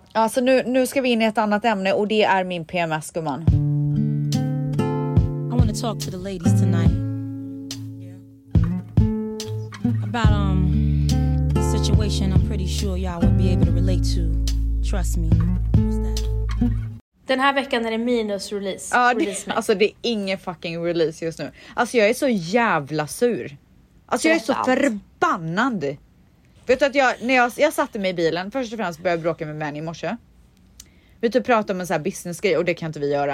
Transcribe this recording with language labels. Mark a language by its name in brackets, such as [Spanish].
[Swedish] Alltså, nu ska vi in i ett annat ämne och det är min PMS, gumman. [English] Talk to the ladies tonight. Yeah. About a situation I'm pretty sure y'all would be able to relate to. Trust me. What's that? [Swedish] Den här veckan är det minus release. Ja, alltså det är ingen fucking release just nu. Alltså jag är så jävla sur. Alltså jag är så förbannad. Vet du att jag satte mig i bilen. Först och främst började bråka med Manny i morse. Vi typ pratade om en sån här business grej och det kan inte vi göra.